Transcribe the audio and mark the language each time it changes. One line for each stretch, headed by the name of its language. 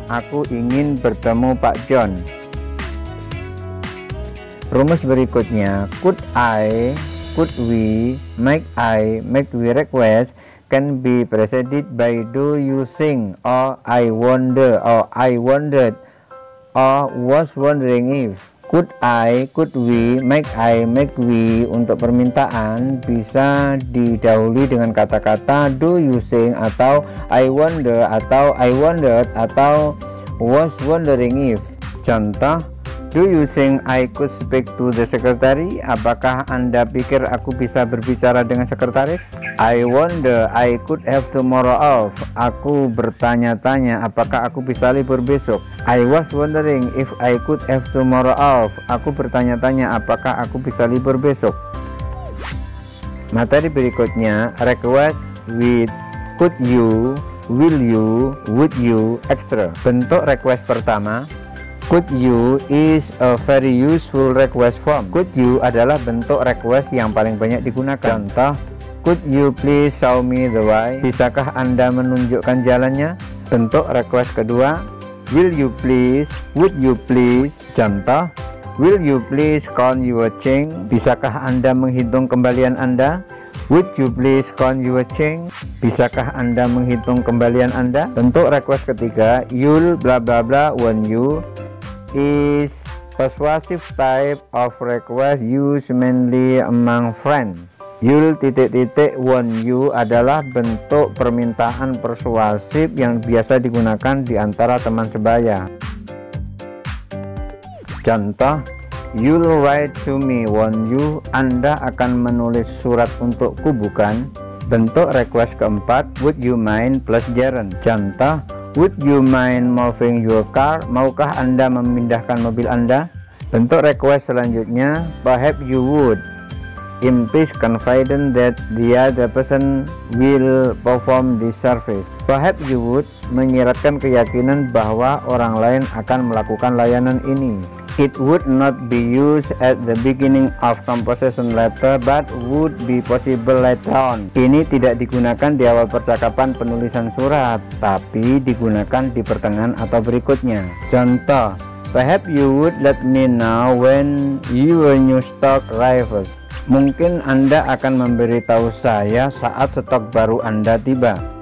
Indonesian: Aku ingin bertemu Pak John. Rumus berikutnya,
English: could I, could we, might we request can be preceded by do you think or I wonder or I wondered or was wondering if.
Indonesian: Could I, could we, might we untuk permintaan bisa didahului dengan kata-kata
English: do you think
Indonesian: atau I wonder atau I wondered atau was wondering if.
English: Contoh, do you think I could speak to the secretary?
Indonesian: Apakah Anda pikir aku bisa berbicara dengan sekretaris?
English: I wonder I could have tomorrow off.
Indonesian: Aku bertanya-tanya apakah aku bisa libur besok.
English: I was wondering if I could have tomorrow off.
Indonesian: Aku bertanya-tanya apakah aku bisa libur besok. Materi berikutnya,
English: request with could you, will you, would you, extra.
Indonesian: Bentuk request pertama,
English: could you is a very useful request form.
Indonesian: Could you adalah bentuk request yang paling banyak digunakan.
English: Contoh, could you please show me the way?
Indonesian: Bisakah Anda menunjukkan jalannya? Bentuk request kedua,
English: will you please, would you please. Contoh, will you please count your change?
Indonesian: Bisakah Anda menghitung kembalian Anda?
English: Would you please count your change?
Indonesian: Bisakah Anda menghitung kembalian Anda? Bentuk request ketiga,
English: you'll blah blah blah when you. Is persuasive type of request used mainly among friends.
Indonesian: You'll ... want you adalah bentuk permintaan persuasif yang biasa digunakan di antara teman sebaya.
English: Contoh, you'll write to me, want you?
Indonesian: Anda akan menulis surat untukku, bukan? Bentuk request keempat,
English: would you mind plus gerund. Contoh, would you mind moving your car?
Indonesian: Maukah Anda memindahkan mobil Anda? Bentuk request selanjutnya,
English: perhaps you would. Implies confident that the other person will perform this service.
Indonesian: Perhaps you would menyiratkan keyakinan bahwa orang lain akan melakukan layanan ini.
English: It would not be used at the beginning of composition letter, but would be possible later on.
Indonesian: Ini tidak digunakan di awal percakapan penulisan surat, tapi digunakan di pertengahan atau berikutnya.
English: Contoh, perhaps you would let me know when your new stock arrives.
Indonesian: Mungkin Anda akan memberitahu saya saat stok baru Anda tiba.